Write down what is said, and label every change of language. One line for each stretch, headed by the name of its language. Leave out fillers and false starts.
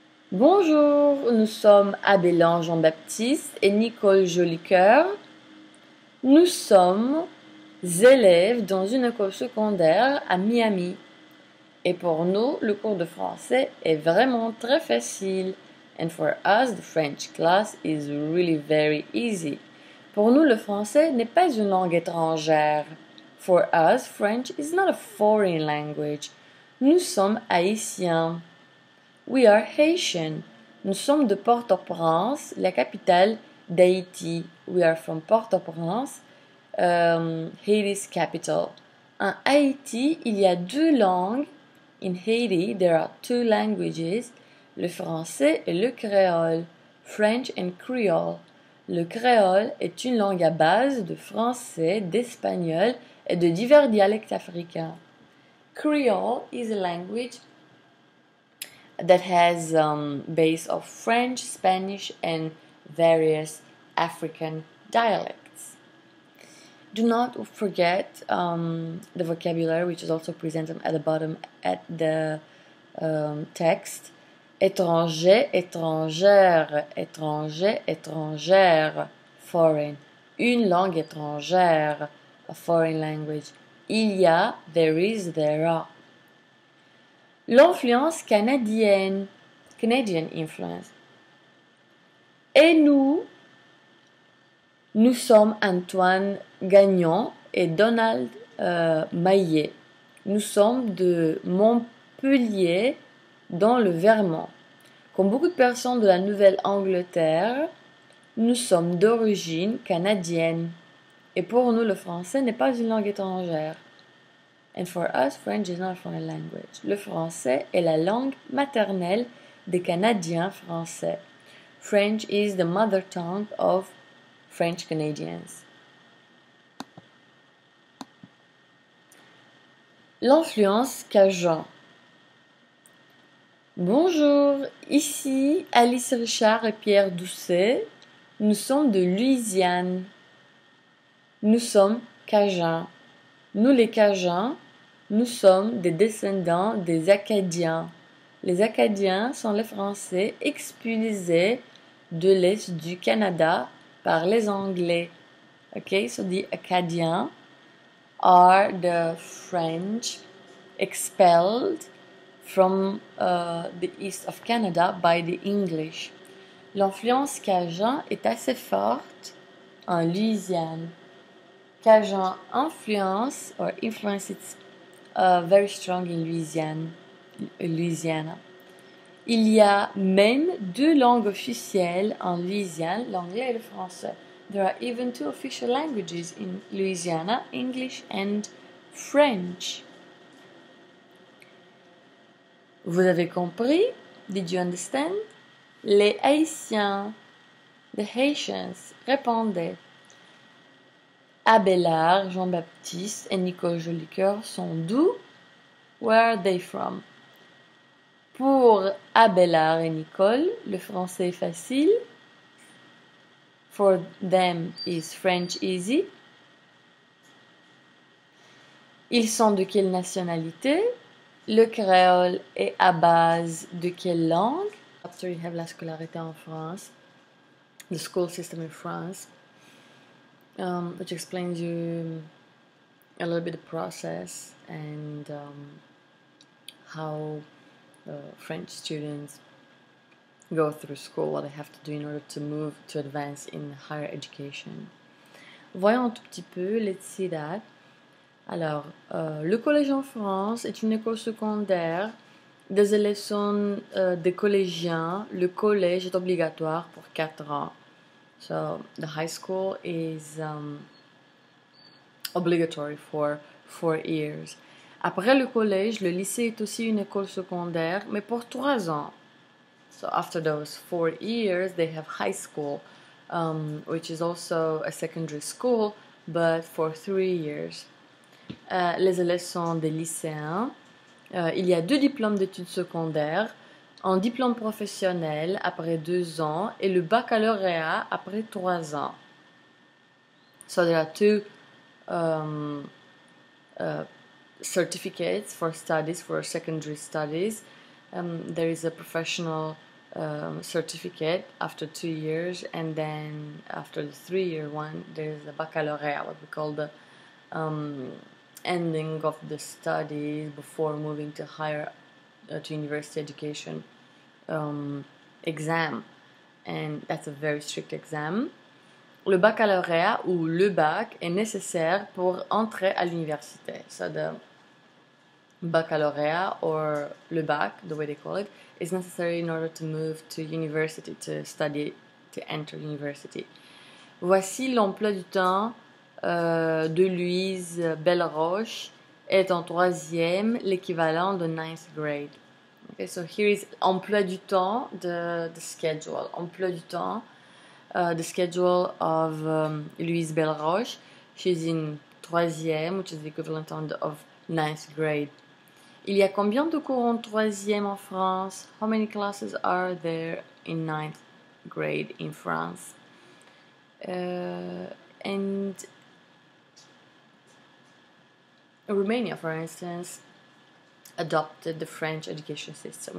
French: Bonjour, nous sommes Abélan Jean-Baptiste et Nicole Jolicoeur. Nous sommes élèves dans une école secondaire à Miami. Et pour nous, le cours de français est vraiment très facile.
English: And for us, the French class is really very easy.
French: Pour nous, le français n'est pas une langue étrangère.
English: For us, French is not a foreign language.
French: Nous sommes Haïtiens.
English: We are Haitian.
French: Nous sommes de Port-au-Prince, la capitale d'Haïti.
English: We are from Port-au-Prince, Haiti's capital.
French: En Haïti, il y a deux langues.
English: In Haiti, there are two languages.
French: Le français et le créole,
English: French and Creole.
French: Le créole est une langue à base de français, d'espagnol et de divers dialectes africains.
English: Creole is a language that has base of French, Spanish and various African dialects. Do not forget the vocabulary, which is also presented at the bottom at the text.
French: Étranger, étrangère, étranger, étrangère,
English: foreign,
French: une langue étrangère,
English: a foreign language.
French: Il y a,
English: there is, there are.
French: L'influence canadienne,
English: Canadian influence.
French: Et nous, nous sommes Antoine Gagnon et Donald Maillet. Nous sommes de Montpellier, dans le Vermont. Comme beaucoup de personnes de la Nouvelle-Angleterre, nous sommes d'origine canadienne. Et pour nous, le français n'est pas une langue étrangère.
English: And for us, French is not a foreign language.
French: Le français est la langue maternelle des Canadiens français.
English: French is the mother tongue of French Canadians.
French: L'influence Cajun. Bonjour, ici Alice Richard et Pierre Doucet. Nous sommes de Louisiane. Nous sommes Cajuns. Nous les Cajuns, nous sommes des descendants des Acadiens. Les Acadiens sont les Français expulsés de l'Est du Canada par les Anglais.
English: Okay, so the Acadians are the French expelled from the east of Canada by the English.
French: L'influence Cajun est assez forte en Louisiane.
English: Cajun influence or influence it's very strong in Louisiana.
French: Il y a même deux langues officielles en Louisiane, l'anglais et le français.
English: There are even two official languages in Louisiana, English and French.
French: Vous avez compris?
English: Did you understand?
French: Les Haïtiens,
English: the Haitians,
French: répondaient. Abélard, Jean-Baptiste et Nicole Jolicoeur sont d'où?
English: Where are they from?
French: Pour Abélard et Nicole, le français est facile.
English: For them, is French easy?
French: Ils sont de quelle nationalité? Le créole est à base de quelle langue?
English: After you have
French: la scolarité en France,
English: the school system in France, which explains you a little bit the process and how French students go through school, what they have to do in order to move, to advance in higher education.
French: Voyons un tout petit peu,
English: let's see that.
French: Alors, le collège en France est une école secondaire. Des élèves sont des collégiens. Le collège est obligatoire pour 4 ans.
English: So, the high school is obligatory for 4 years.
French: Après le collège, le lycée est aussi une école secondaire, mais pour 3 ans.
English: So, after those 4 years, they have high school, which is also a secondary school, but for 3 years.
French: Les élèves sont des lycéens. Il y a deux diplômes d'études secondaires, un diplôme professionnel après 2 ans et le baccalauréat après 3 ans.
English: So, there are two certificates for studies, for secondary studies. There is a professional certificate after 2 years, and then after the 3 year one, there is a baccalauréat, what we call the ending of the studies before moving to higher to university education exam, and that's a very strict exam.
French: Le baccalauréat ou le bac est nécessaire pour entrer à l'université.
English: So the baccalauréat or le bac, the way they call it, is necessary in order to move to university, to study, to enter university.
French: Voici l'emploi du temps de Louise Belleroche. Elle est en troisième, l'équivalent de
English: ninth grade. Okay, so here is
French: emploi du temps,
English: the schedule.
French: Emploi du temps,
English: the schedule of Louise Belleroche. She's in troisième, which is equivalent of ninth grade.
French: Il y a combien de cours en troisième en France?
English: How many classes are there in ninth grade in France? And Romania, for instance, adopted the French education system.